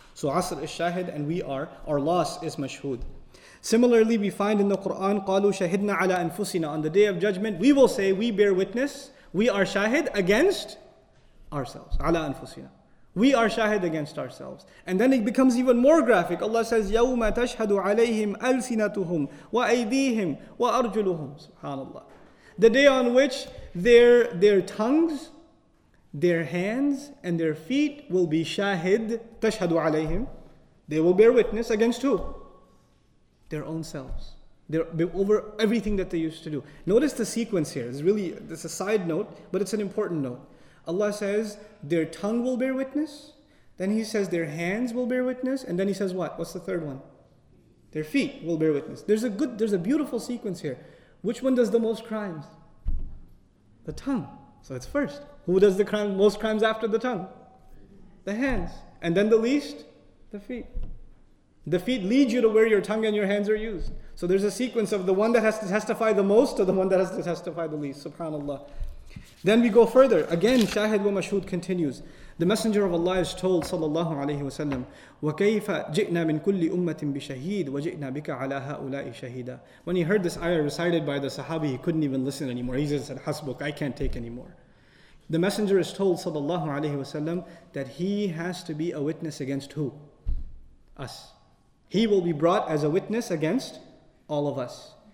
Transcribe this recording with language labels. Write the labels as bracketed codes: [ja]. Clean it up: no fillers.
[en] So asr is shahid and we are, our loss is mashhud. Similarly, we find in the Quran, [ar] قَالُوا شَهِدْنَا عَلَىٰ أَنفُسِنَا. [en] On the day of judgment, we will say, we bear witness, we are shahid against ourselves. [ar] عَلَىٰ أَنفُسِنَا. [en] We are shahid against ourselves. And then it becomes even more graphic. Allah says, [ar] يَوْمَ تَشْهَدُ عَلَيْهِمْ أَلْسِنَتُهُمْ وَأَيْدِيهِمْ وَأَرْجُلُهُمْ. [en] SubhanAllah. The day on which their tongues, their hands and their feet will be shahid, [ar] tashhadu alayhim. [en] They will bear witness against who? Their own selves. They're over everything that they used to do. Notice the sequence here. It's a side note, but it's an important note. Allah says, their tongue will bear witness. Then He says, their hands will bear witness. And then He says what? What's the third one? Their feet will bear witness. There's a beautiful sequence here. Which one does the most crimes? The tongue. So it's first. Who does the most crimes after the tongue? The hands. And then the least? The feet. The feet lead you to where your tongue and your hands are used. So there's a sequence of the one that has to testify the most to the one that has to testify the least. SubhanAllah. Then we go further. Again, shahid wa mashhud continues. The Messenger of Allah is told, [ar] sallallahu alayhi wa sallam, وَكَيْفَ جِئْنَا مِن كُلِّ أُمَّةٍ بِشَهِيدٍ وَجِئْنَا بِكَ عَلَىٰ هَؤُلَاءِ شَهِيدًا. [en] When he heard this ayah recited by the Sahabi, he couldn't even listen anymore. He just said, hasbuk, I can't take anymore. The Messenger is told, sallallahu alayhi wa sallam, that he has to be a witness against who? Us. He will be brought as a witness against all of us.